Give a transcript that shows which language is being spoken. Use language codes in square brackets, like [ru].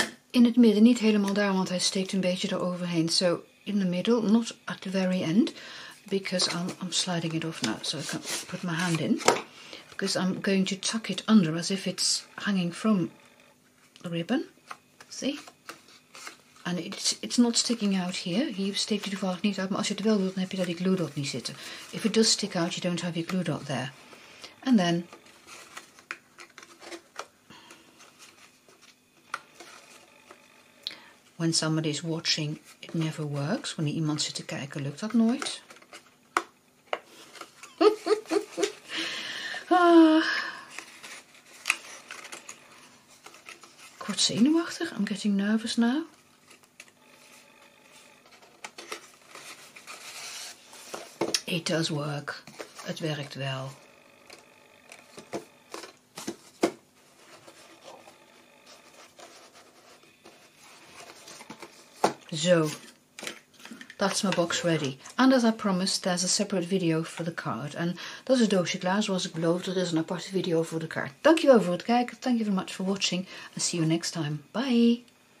[nl] In het midden, niet helemaal daar, want hij steekt een beetje eroverheen. [en] So, in the middle, not at the very end. Because I'm sliding it off now, so I can put my hand in. Because I'm going to tuck it under as if it's hanging from the ribbon. See? And it's not sticking out here. [nl] Hier steekt hij toevallig niet uit. Maar als je het wel wilt, dan heb je daar die glue dot niet zitten. [en] If it does stick out, you don't have your glue dot there. And then when somebody is watching, it never works. [nl] Wanneer iemand zit te kijken, lukt dat nooit. Ik word zenuwachtig. [en] I'm getting nervous now. It does work. [nl] Het werkt wel. Zo. [en] That's my box ready. And as I promised, there's a separate video for the card. [nl] En dat is het doosje klaar, zoals ik beloofd. Er is een aparte video voor de kaart. Dankjewel voor het kijken. [en] Thank you very much for watching. And see you next time. Bye.